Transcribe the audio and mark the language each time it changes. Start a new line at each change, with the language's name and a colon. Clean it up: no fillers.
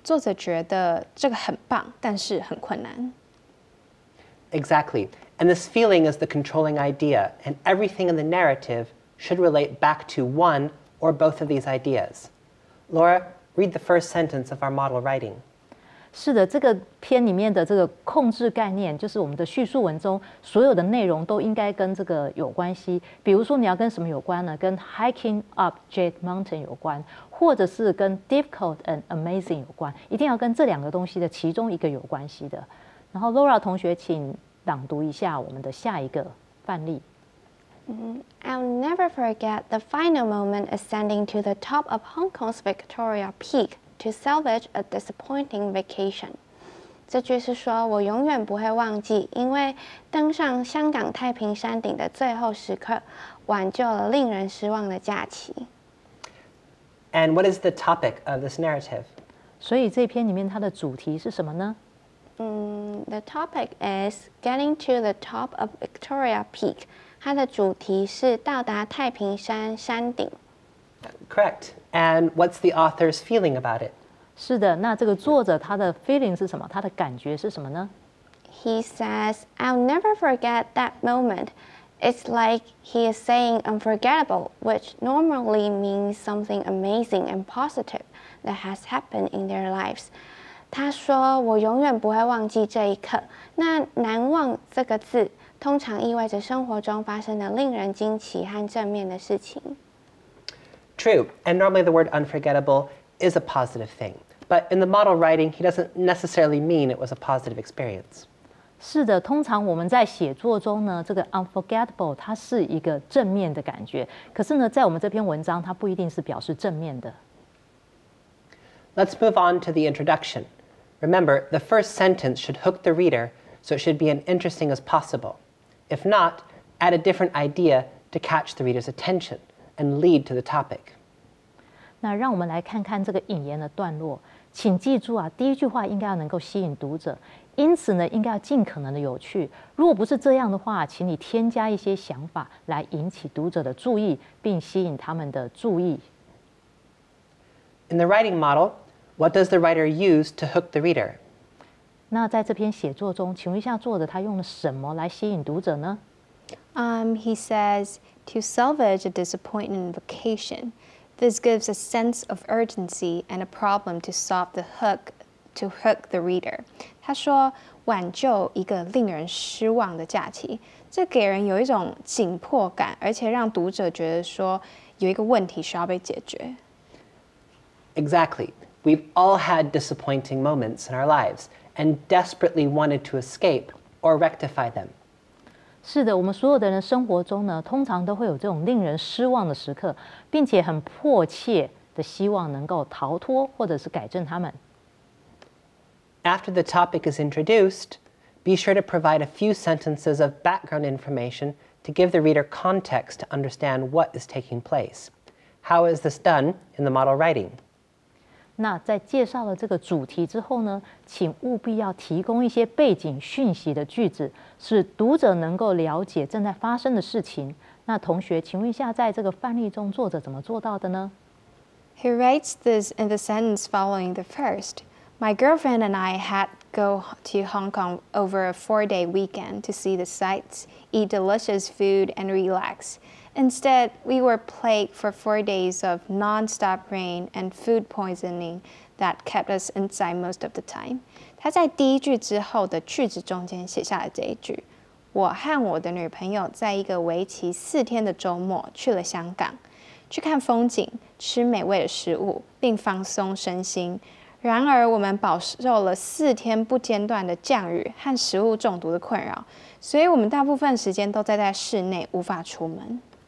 Chinese: 作者觉得这个很棒，但是很困难。
English: Exactly. And this feeling is the controlling idea, and everything in the narrative should relate back to one or both of these ideas. Laura, read the first sentence of our model writing.
Chinese: 是的，这个篇里面的这个控制概念，就是我们的叙述文中所有的内容都应该跟这个有关系。比如说你要跟什么有关呢？跟
English: hiking up Jade Mountain
Chinese: 有关，或者是跟
English: difficult and amazing
Chinese: 有关，一定要跟这两个东西的其中一个有关系的。然后 Laura 同学，请朗读一下我们的下一个范例。
English: I'll never forget the final moment ascending to the top of Hong Kong's Victoria Peak to salvage a disappointing vacation.
Chinese: 这句是说我永远不会忘记，因为登上香港太平山顶的最后时刻，挽救了令人失望的假期。
English: And what is the topic of this narrative?
Chinese: 所以这篇里面它的主题是什么呢？
English: The topic is getting to the top of Victoria Peak.
Chinese: 它的主题是到达太平山山顶。
English: Correct. And what's the author's feeling about it?
Chinese: 是的，那这个作者他的 feeling 是什么？他的感觉是什么呢？
English: He says, I'll never forget that moment. It's like he is saying unforgettable, which normally means something amazing and positive that has happened in their lives.
Chinese: 他说我永远不会忘记这一刻。那难忘这个字通常意味着生活中发生的令人惊奇和正面的事情。
English: True, and normally the word unforgettable is a positive thing. But in the model writing, he doesn't necessarily mean it was a positive experience.
Chinese: 是的，通常我们在写作中呢，这个 unforgettable 它是一个正面的感觉。可是呢，在我们这篇文章它不一定是表示正面的。
English: Let's move on to the introduction. Remember, the first sentence should hook the reader, so it should be as interesting as possible. If not, add a different idea to catch the reader's attention and lead to the topic.
Chinese: 那让我们来看看这个引言的段落。请记住啊，第一句话应该要能够吸引读者，因此呢，应该要尽可能的有趣。如果不是这样的话，请你添加一些想法来引起读者的注意，并吸引他们的注意。
English: In the writing model, what does the writer use to hook the reader?
Chinese: 那在这篇写作中，请问一下作者他用了什么来吸引读者呢？
English: He says, to salvage a disappointing vacation. This gives a sense of urgency and a problem to solve the hook, to hook the reader.
Chinese: 他说挽救一个令人失望的假期，这给人有一种紧迫感，而且让读者觉得说有一个问题需要被解决。
English: Exactly. We've all had disappointing moments in our lives and desperately wanted to escape or rectify them.
Chinese: 是的，我们所有的人生活中呢，通常都会有这种令人失望的时刻，并且很迫切的希望能够逃脱或者是改正他们。
English: After the topic is introduced, be sure to provide a few sentences of background information to give the reader context to understand what is taking place. How is this done in the model writing?
Chinese: 那在介绍了这个主题之后呢，请务必要提供一些背景讯息的句子，使读者能够了解正在发生的事情。那同学，请问一下，在这个范例中，作者怎么做到的呢？
English: He writes this in the sentence following the first. My girlfriend and I had go to Hong Kong over a four-day weekend to see the sights, eat delicious food, and relax. Instead, we were plagued for 4 days of non-stop rain and food poisoning that kept us inside most of the time.
Chinese: 他在第一句之后的句子中间写下了这一句。我和我的女朋友在一个为期四天的周末去了香港，去看风景，吃美味的食物，并放松身心。然而我们饱受了四天不间断的降雨和食物中毒的困扰，所以我们大部分时间都待在室内，无法出门。